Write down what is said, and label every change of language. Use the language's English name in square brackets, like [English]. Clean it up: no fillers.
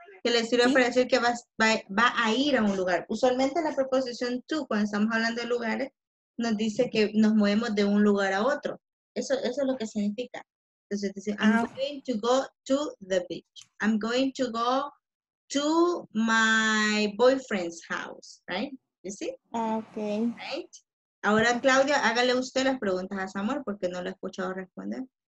[Spanish] Que le sirve para decir que va a ir a un lugar. Usualmente la preposición to, cuando estamos hablando de lugares, nos dice que nos movemos de un lugar a otro. Eso es lo que significa. Entonces, dice, [English] I'm going to go to the beach. I'm going to go to my boyfriend's house. Right? You see? Okay. Right? [Spanish] Ahora, Claudia, hágale usted las preguntas a Samuel porque no lo he escuchado responder.